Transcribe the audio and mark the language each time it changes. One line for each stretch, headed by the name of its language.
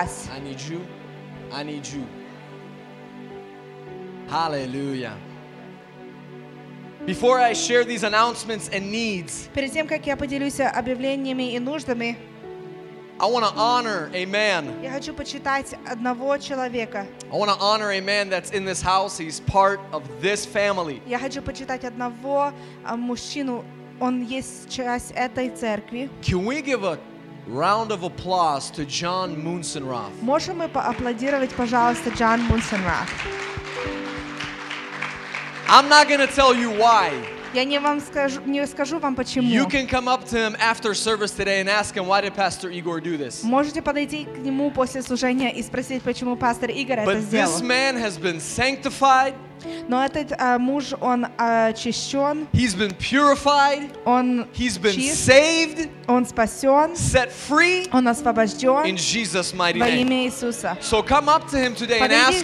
English: I need you. I need you. Hallelujah. Before I share these announcements and needs,
Russian: перед тем, как я поделюсь объявлениями и нуждами,
English: I want to honor a man.
Russian: Я хочу почитать одного человека.
English: I want to honor a man that's in this house. He's part of this family.
Russian: Я хочу почитать одного мужчину. Он есть часть этой церкви.
English: Can we give a round of applause to John Munsenroth?
Russian: Можем мы поаплодировать, пожалуйста, Джон Мунсенроф?
English: I'm not going to tell you why.
Russian: Я не скажу вам почему.
English: You can come up to him after service today and ask him why did Pastor Igor do this.
Russian: Можете подойти к нему после служения и спросить, почему пастор Игорь это сделал.
English: But this man has been sanctified.
Russian: Но этот муж он очищен.
English: He's been purified.
Russian: Он
English: He's been saved.
Russian: Он спасен.
English: Set free.
Russian: Он освобожден.
English: In Jesus' mighty name.
Russian: Во имя Иисуса.
English: So come up to him today and ask him.